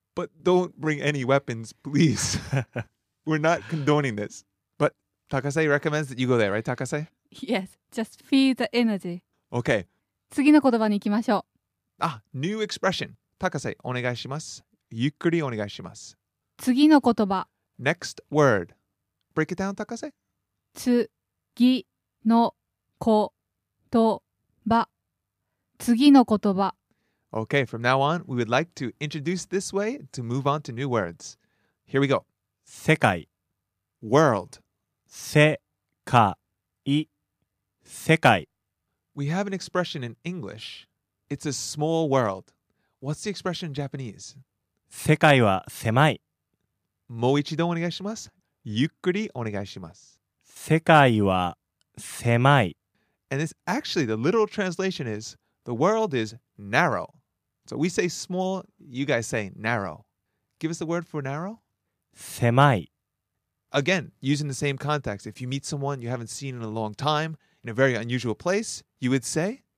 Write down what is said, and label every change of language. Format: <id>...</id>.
<en>but don't bring any weapons, please. We're not condoning this. But Takase recommends that you go there, right, Takase? Yes. Just feel the energy. Okay.</en> <ja>次の言葉に行きましょう。</ja> <en>Ah, new expression. Takase,</en> <ja>お願いします。ゆっくりお願いします。次の言葉。</ja> <en>Next word. Break it down, Takase.</en> <ja>次の言葉。次の言葉。</ja> <en>Okay, from now on, we would like to introduce this way to move on to new words. Here we go.</en> <ja>世界</ja> <en>World</en> <ja>世界世界</ja> <en>We have an expression in English. It's a small world. What's the expression in Japanese?</en> <ja>世界は狭い。もう一度お願いします。ゆっくりお願いします。世界は狭い。</ja> <en>And this actually, the literal translation is, the world is narrow. So we say small, you guys say narrow. Give us the word for narrow.</en> <ja>狭い.</ja> <en>Again, using the same context, if you meet someone you haven't seen in a long time, in a very unusual place, you would say?</en>